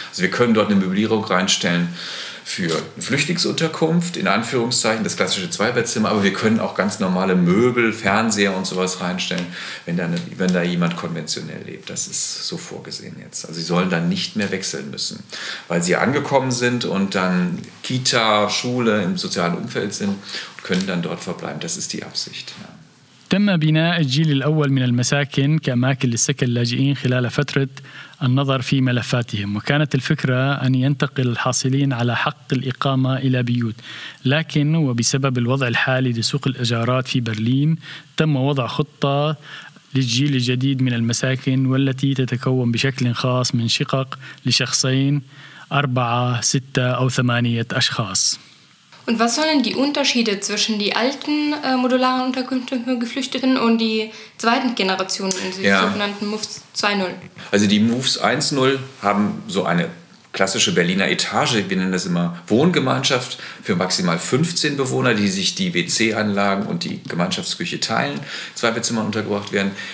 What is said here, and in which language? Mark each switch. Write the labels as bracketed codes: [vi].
[de] Also wir können dort eine Möblierung reinstellen für eine Flüchtlingsunterkunft, in Anführungszeichen das klassische Zweibettzimmer, aber wir können auch ganz normale Möbel, Fernseher und sowas reinstellen, wenn da jemand konventionell lebt. Das ist so vorgesehen jetzt. Also sie sollen dann nicht mehr wechseln müssen, weil sie angekommen sind und dann Kita, Schule im sozialen Umfeld sind und können dann dort verbleiben. Das ist die Absicht. Ja. [ar] تم بناء الجيل الأول من المساكن كأماكن للسكن اللاجئين خلال فترة النظر في ملفاتهم وكانت الفكرة أن ينتقل الحاصلين على حق الإقامة إلى بيوت لكن وبسبب الوضع الحالي لسوق الإيجارات في برلين تم وضع خطة للجيل الجديد من المساكن والتي تتكون بشكل خاص من شقق لشخصين 4, 6 أو 8 أشخاص. [de] Und was sollen die Unterschiede zwischen die alten modularen Unterkünfte für Geflüchteten und die zweiten Generationen, die sogenannten MOVES 2.0? Also die MOVES 1.0 haben so eine klassische Berliner Etage, wir nennen das immer Wohngemeinschaft, für maximal 15 Bewohner, die sich die WC-Anlagen und die Gemeinschaftsküche teilen, zwei Bezimmer untergebracht werden.